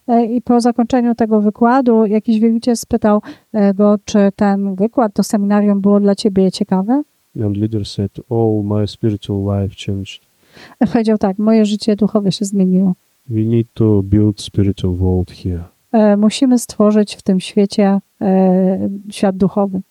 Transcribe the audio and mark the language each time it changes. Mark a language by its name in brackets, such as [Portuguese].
[Polish] I po zakończeniu tego wykładu jakiś wielbiciel spytał go, czy ten wykład, to seminarium było dla ciebie ciekawe? [English] And leader said, oh, my spiritual life changed. [Polish] Powiedział tak, moje życie duchowe się zmieniło. [English] We need to build spiritual world here. [Polish] Musimy stworzyć w tym świecie świat duchowy.